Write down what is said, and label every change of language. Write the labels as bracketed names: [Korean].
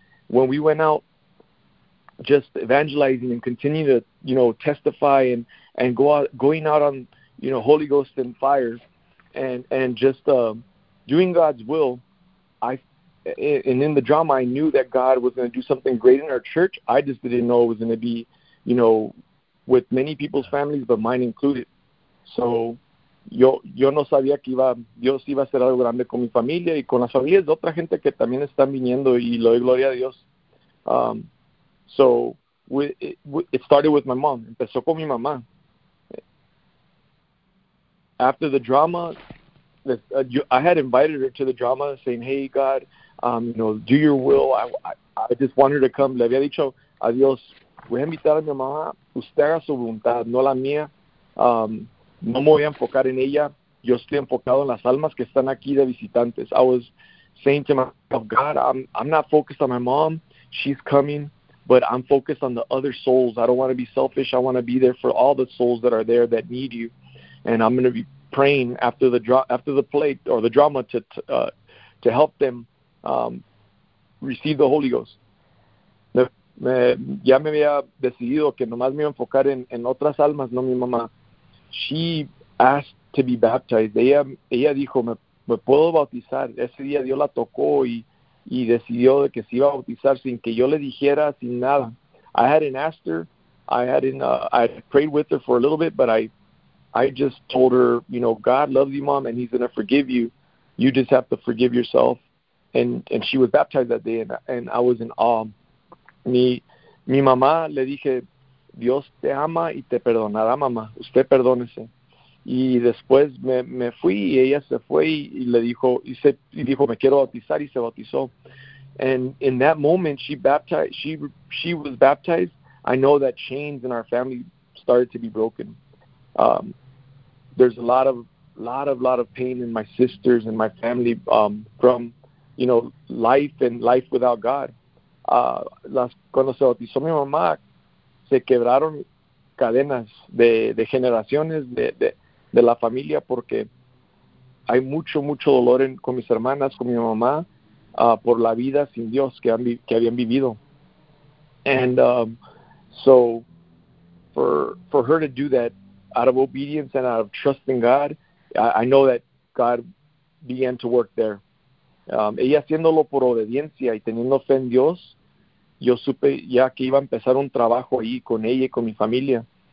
[English] When we went out just evangelizing and continue to, you know, testify and going out on, you know, Holy Ghost and fire and just doing God's will, in the drama, I knew that God was going to do something great in our church. I just didn't know it was going to be, you know, with many people's families, but mine included. [Spanish] So yo no sabía que Dios iba a hacer algo grande con mi familia y con las familias de otra gente que también están viniendo, y le doy gloria a Dios. [English] So it started with my mom. [Spanish] Empezó con mi mamá. [English] After the drama, I had invited her to the drama saying, hey, God, you know, do your will. I just want her to come. [Spanish] Le había dicho a Dios, voy a invitar a mi mamá. Usted haga su voluntad, no la mía. No me voy a enfocar en ella. Yo estoy enfocado en las almas que están aquí de visitantes. [English] I was saying to myself, God, I'm not focused on my mom. She's coming, but I'm focused on the other souls. I don't want to be selfish. I want to be there for all the souls that are there that need you. And I'm going to be praying after the drama to help them receive the Holy Ghost. [Spanish] Ya me había decidido que nomás me iba a enfocar en otras almas, no mi mamá. [English] She asked to be baptized. [Spanish] Ella dijo, me puedo bautizar. Ese día Dios la tocó y decidió que se iba a bautizar sin que yo le dijera, sin nada. [English] I hadn't asked her. I prayed with her for a little bit, but I just told her, you know, God loves you, Mom, and he's going to forgive you. You just have to forgive yourself. And she was baptized that day, and I was in awe. [Spanish] Mi mamá le dije, Dios te ama y te perdonará, mamá. Usted perdónese. Y después me fui y ella se fue y le dijo, y dijo, me quiero bautizar, y se bautizó. [English] And in that moment, she was baptized. I know that chains in our family started to be broken. There's a lot of pain in my sisters and my family from, you know, life and life without God. [Spanish] las cuando se bautizó mi mamá, se quebraron cadenas de generaciones de la familia, porque hay mucho, mucho dolor con mis hermanas, con mi mamá, por la vida sin Dios que habían vivido. [English] And so for her to do that out of obedience and out of trust in God, I know that God began to work there. [Spanish] Ella haciéndolo por obediencia y teniendo fe en Dios, yo supe ya que iba a empezar un trabajo ahí con ella y con mi familia.